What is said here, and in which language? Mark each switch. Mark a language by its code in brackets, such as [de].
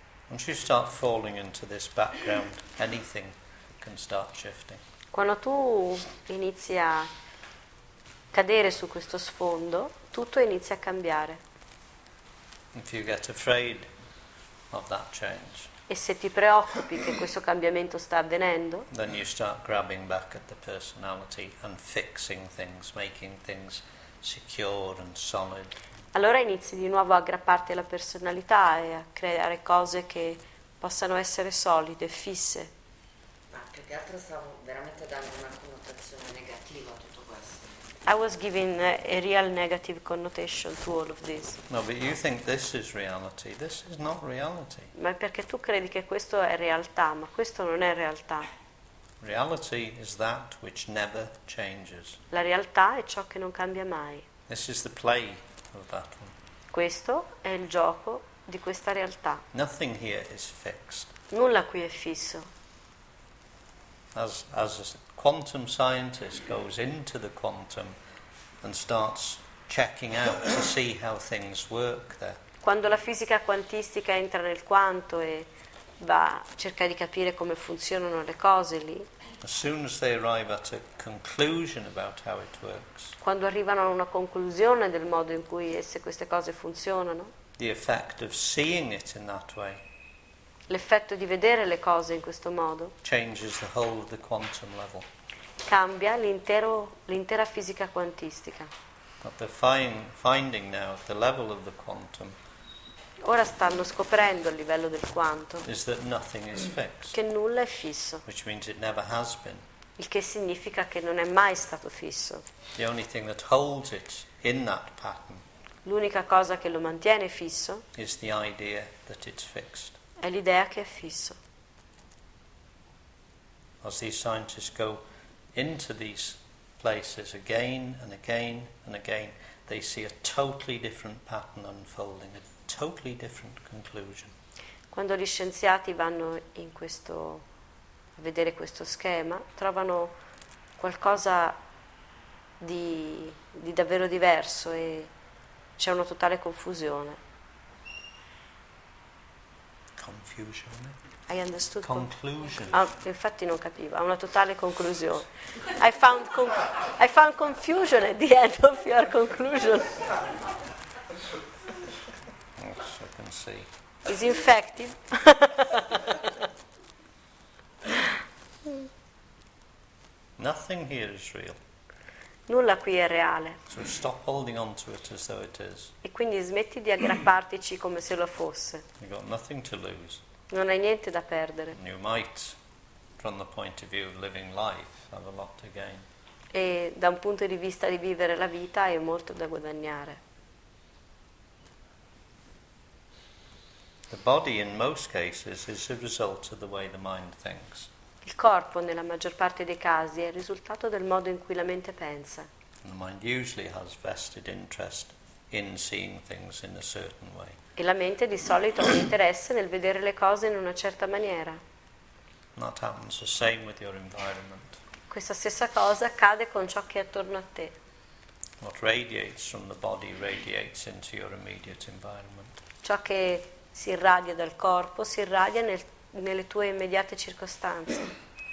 [en] Once you start falling into this background, anything can start shifting. [it] Quando tu inizi a cadere su questo sfondo, tutto inizia a cambiare. [en] If you get afraid of that change, [it] e se ti preoccupi che questo cambiamento sta avvenendo, [en] then you start grabbing back at the personality and fixing things, making things secure and solid. [it] Allora inizi di nuovo a aggrapparti alla personalità e a creare cose che possano essere solide, fisse. Più che altro stavo veramente dando una connotazione negativa a tutto questo. [en] I was giving a real negative connotation to all of this. No, but you think this is reality. This is not reality. [it] Ma perché tu credi che questo è realtà, ma questo non è realtà. [en] Reality is that which never changes. [it] La realtà è ciò che non cambia mai. [en] This is the play of that one. [it] Questo è il gioco di questa realtà. [en] Nothing here is fixed. [it] Nulla qui è fisso. [en] As a quantum scientist goes into the quantum and starts checking out to see how things work there. [it] Quando la fisica quantistica entra nel quanto e va a cercare di capire come funzionano le cose lì. [en] As soon as they arrive at a conclusion about how it works. [it] Quando arrivano a una conclusione del modo in cui esse queste cose funzionano. [en] The effect of seeing it in that way. [it] L'effetto di vedere le cose in questo modo [en] changes the whole of the quantum level. [it] Cambia l'intera fisica quantistica. [en] But they're finding now the level of the quantum. [it] Ora stanno scoprendo a livello del quanto [en] is that nothing is fixed, [it] che nulla è fisso. [en] Which means it never has been. [it] Il che significa che non è mai stato fisso. [en] The only thing that holds it in that pattern. [it] L'unica cosa che lo mantiene fisso [en] is the idea that it's fixed. [it] È l'idea che è fisso. [en] As these scientists go into these places again and again and again, they see a totally different pattern unfolding, a totally different conclusion. [it] Quando gli scienziati vanno in questo a vedere questo schema, trovano qualcosa di davvero diverso e c'è una totale confusione. [en] Confusion. I understood. Conclusion. [it] Infatti non capivo. Una totale conclusione. [en] I found confusion at the end of your conclusion. Yes, I can see. Is infected. Nothing here is real. [it] Nulla qui è reale. [en] So stop holding on to it as though it is. [it] E quindi smetti di aggrapparti come se lo fosse. [en] You've got nothing to lose. [it] Non hai niente da perdere. [en] You might, from the point of view of living life, have a lot to gain. [it] E da un punto di vista di vivere la vita hai molto da guadagnare. [en] The body in most cases is a result of the way the mind thinks. [it] Il corpo nella maggior parte dei casi è il risultato del modo in cui la mente pensa. [en] The mind usually has vested interest in seeing things in a certain way. [it] E la mente di solito ha interesse nel vedere le cose in una certa maniera. [en] That happens the same with your environment. [it] Questa stessa cosa accade con ciò che è attorno a te. [en] What radiates from the body radiates into your immediate environment. [it] Ciò che si irradia dal corpo si irradia nelle tue immediate circostanze.